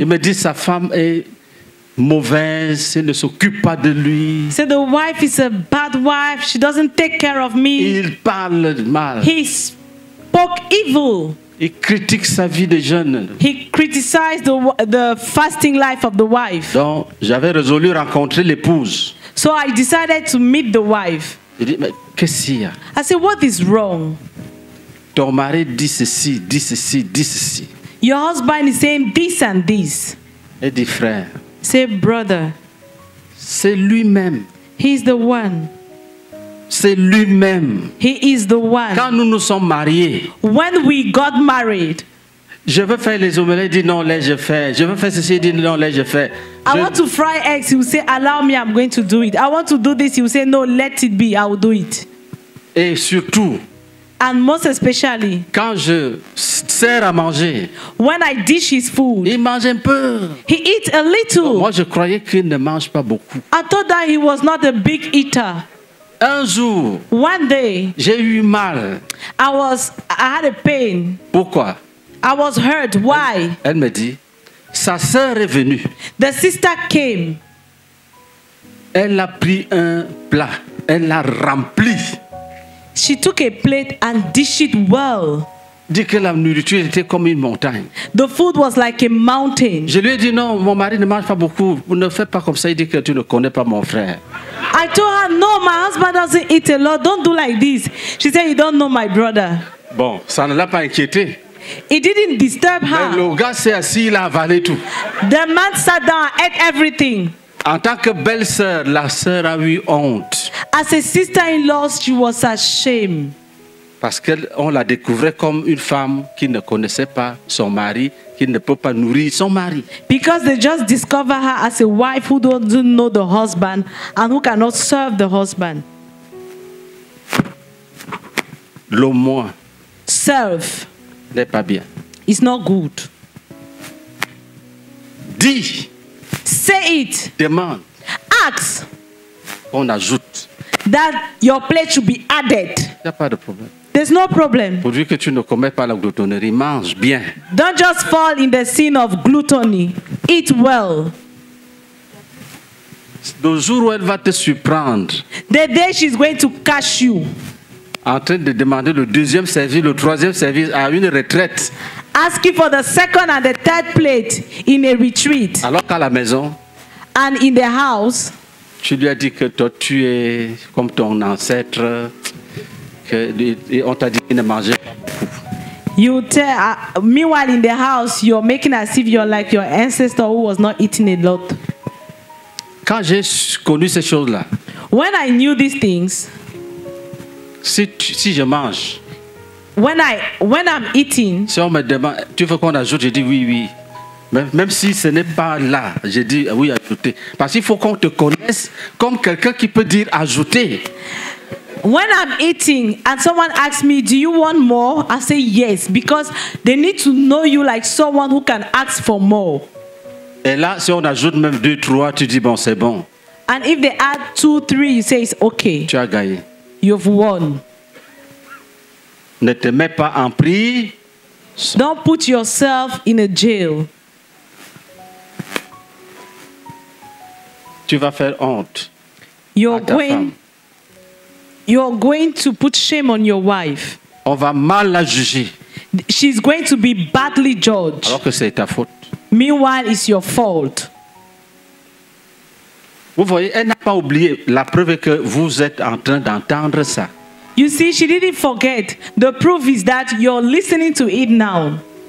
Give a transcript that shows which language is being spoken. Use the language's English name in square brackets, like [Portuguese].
[French] Il me dit sa femme est mauvaise, elle ne s'occupe pas de lui. [English] So the wife is a bad wife, she doesn't take care of me. [French] Il parle mal. [English] He spoke evil. [French] Il critique sa vie de jeune. [English] He criticized the fasting life of the wife. [French] Donc, j'avais résolu rencontrer l'épouse. [English] So I decided to meet the wife. [French] Je dis, mais qu'est-ce qu'il y a? [English] I said, what is wrong? [French] Ton mari dit ceci, dit ceci, dit ceci. [English] Your husband is saying this and this. [French] Et dit frère. [English] Say brother. [French] C'est lui-même. [English] He's the one. [French] C'est lui-même. [English] He is the one. [French] Quand nous nous sommes mariés. [English] When we got married. [French] Je veux faire les omelettes, dit non, laisse je faire. Je veux faire ceci, dit non, laisse je faire. [English] I want to fry eggs, you say allow me, I'm going to do it. I want to do this, you say no, let it be, I will do it. [French] Et surtout. [English] And most especially. [French] Quand je sers à manger. [English] When I dish his food. [French] Il mange un peu. [English] He eats a little. [French] Moi je croyais qu'il ne mange pas beaucoup. [English] I thought that he was not a big eater. [French] Un jour, [English] one day, [French] j'ai eu mal. [English] I had a pain. [French] Pourquoi? [English] I was hurt. Why? [French] Elle me dit, sa sœur est venue. [English] The sister came. [French] Elle a pris un plat. Elle l'a rempli. [English] She took a plate and dished it well. [French] Dit que la nourriture était comme une montagne. [English] The food was like a mountain. [French] Je lui ai dit non, mon mari ne mange pas beaucoup. Ne fais pas comme ça. Il dit que tu ne connais pas mon frère. [English] I told her, no, my husband doesn't eat a lot. Don't do like this. She said, you don't know my brother. [French] Bon, ça ne l'a pas inquiété. [English] It didn't disturb her. [French] Mais le gars s'est assis, il a avalé tout. [English] The man sat down and ate everything. [French] En tant que belle-sœur, la sœur a eu honte. [English] As a sister-in-law, she was ashamed. [French] Parce qu'on la découvrait comme une femme qui ne connaissait pas son mari, qui ne peut pas nourrir son mari. [English] Because they just discover her as a wife who doesn't know the husband and who cannot serve the husband. [French] Le moi. [English] Serve. [French] N'est pas bien. [English] It's not good. [French] Dis. [English] Say it. [French] Demande. [English] Ask. [French] On ajoute. [English] That your plate should be added. [French] Il n'y a pas de problème. [English] There's no problem. [French] Pourvu que tu ne commets pas la gloutonnerie, mange bien. [English] Don't just fall in the sin of gluttony. Eat well. [French] Le jour où elle va te surprendre. [English] The day she's going to catch you. [French] En train de demander le deuxième service, le troisième service à une retraite. [English] Asking for the second and the third plate in a retreat. [French] Alors qu'à la maison. [English] And in the house. [French] Tu lui as dit que toi tu es comme ton ancêtre. On t'a dit qu'il ne mangeait pas. [English] You tell, meanwhile in the house, you're making as if you're like your ancestor who was not eating a lot. [French] Quand j'ai connu ces choses-là. [English] When I knew these things. [French] Si je mange. [English] When I'm eating. [French] Si on me demande, tu veux qu'on ajoute, je dis oui, oui. Même si ce n'est pas là, je dis oui, ajouter. Parce qu'il faut qu'on te connaisse comme quelqu'un qui peut dire ajouter. [English] When I'm eating and someone asks me, do you want more? I say yes, because they need to know you like someone who can ask for more. [French] Et là, si on ajoute même deux, trois, tu dis bon, c'est bon. [English] And if they add two, three, you say it's okay. [French] Tu as gagné. [English] You've won. [French] Ne te mets pas en prison. [English] Don't put yourself in a jail. [French] Tu vas faire honte. [English] You're going. You're going to put shame on your wife. [French] On va mal la juger. [English] She's going to be badly judged. [French] Alors que c'est ta faute. [English] Meanwhile, it's your fault. [French] Vous voyez, elle n'a pas oublié. La preuve est que vous êtes en train d'entendre ça. [English] You see, she didn't forget. The proof is that you're listening to it now.